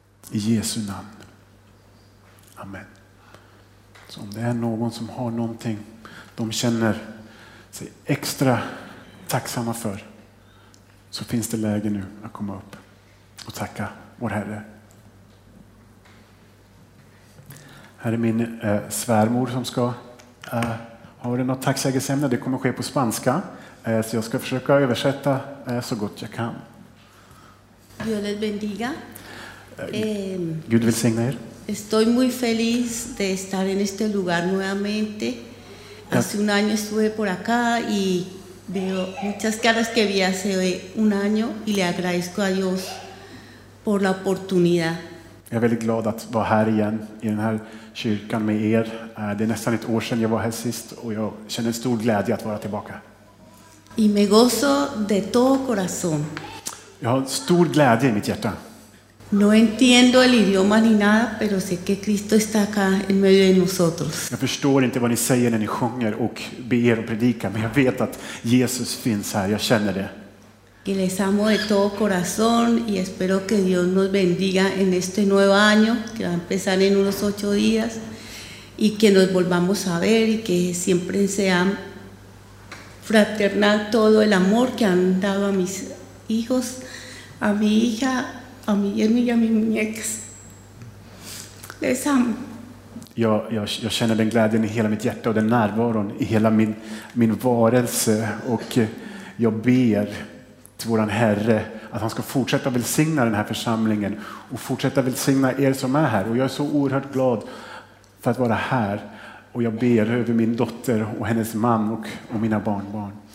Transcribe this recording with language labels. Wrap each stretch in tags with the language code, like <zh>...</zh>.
<sv>I Jesu namn. Amen. Så om det är någon som har någonting de känner sig extra tacksamma för, så finns det läge nu att komma upp och tacka vår Herre. Här är min svärmor som ska ha något tacksägelseämne. Det kommer ske på spanska, så jag ska försöka översätta så gott jag kan.</sv> <es>Dios les bendiga.</es> <sv>Gud välsigna er.</sv> <es>Estoy muy feliz de estar en este lugar nuevamente. Hace un año estuve por acá y veo muchas caras que vi hace un año y le agradezco a Dios por la oportunidad.</es> <sv>Jag är väldigt glad att vara här igen i den här kyrkan med er. Det är nästan ett år sedan jag var här sist och jag känner stor glädje att vara tillbaka.</sv> <es>Y me gozo de todo corazón.</es> <sv>Jag har stor glädje i mitt hjärta.</sv> <es>No entiendo el idioma ni nada, pero sé que Cristo está acá en medio de nosotros.</es> <sv>Jag förstår inte vad ni säger när ni sjunger och ber och predikar, men jag vet att Jesus finns här. Jag känner det.</sv> <es>Que les amo de todo corazón y espero que Dios nos bendiga en este nuevo año que va a empezar en unos 8 días y que nos volvamos a ver y que siempre sea fraternal todo el amor que han dado a mis hijos, a mi hija, a mi yerno y a mi muñeca. Les amo.</es> <sv>Jag känner den glädjen i hela mitt hjärta och den närvaron i hela min varelse, och jag ber våran Herre att han ska fortsätta välsigna den här församlingen och fortsätta välsigna er som är här. Och jag är så oerhört glad för att vara här, och jag ber över min dotter och hennes man och mina barnbarn.</sv>